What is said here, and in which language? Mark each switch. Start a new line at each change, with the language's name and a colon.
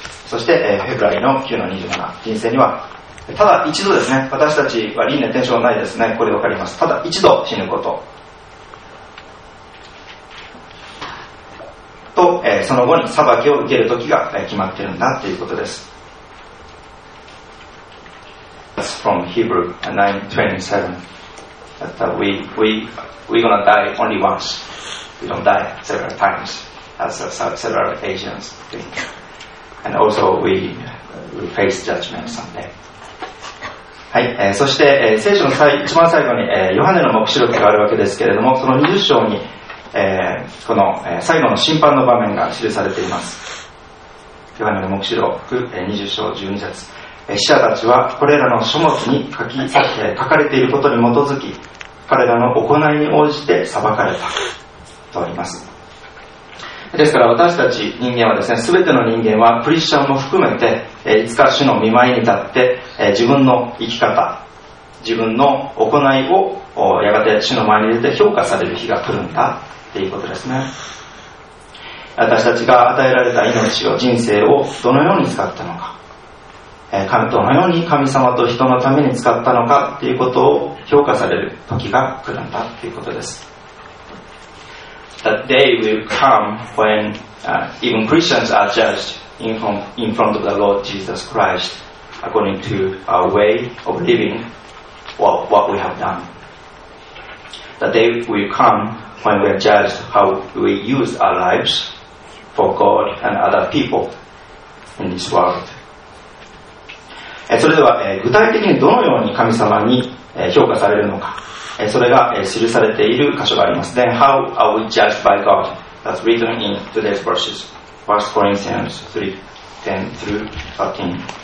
Japanese: そして、ヘブライの 9-27、 人生にはただ一度ですね。私たちは輪廻転生はないですね。これわかります。ただ一度死ぬことと、その後に裁きを受ける時が決まっているんだということです。
English: That's from Hebrew 9:27 that we're gonna die only once. We don't die several times as several occasions and also we face judgment someday.
Japanese: はい。そして、聖書の一番最後に、ヨハネの黙示録があるわけですけれども、その20章に、この最後の審判の場面が記されています。ヨハネの黙示録20章12節、使者たちはこれらの書物に書かれていることに基づき彼らの行いに応じて裁かれたとあります。ですから私たち人間はですね、全ての人間はクリスチャンも含めていつか主の御前に立って自分の生き方、自分の行いをやがて主の前に出て評価される日が来るんだということですね。私たちが与えられた命を、人生をどのように使ったのか、どのように神様と人のために使ったのかということを評価される時が来るんだということです。
English: That day will come when even Christians are judged in front of the Lord Jesus Christ according to our way of living or what we have done. That day will come when we are judged how we use our lives for God and other people in this world.
Japanese: それでは具体的にどのように神様に評価されるのか、それが記されている箇所があります。
English: Then how are we judged by God? That's written in today's verses. 1 Corinthians 3:10 through 13.